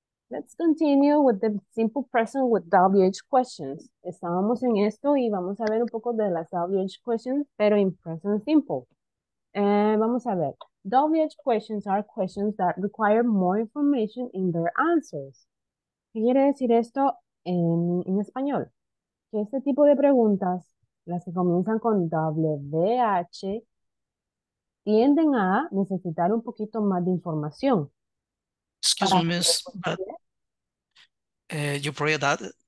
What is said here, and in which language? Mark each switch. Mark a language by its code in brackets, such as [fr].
[en] Let's continue with the simple present with WH questions. [es] Estábamos en esto y vamos a ver un poco de las WH questions, pero en present simple. Vamos a ver. [en] WH questions are questions that require more information in their answers. [es] ¿Qué quiere decir esto en español? Que este tipo de preguntas, las que comienzan con WH, tienden a necesitar un poquito más de información. [en] Excuse me, miss, but You pray that?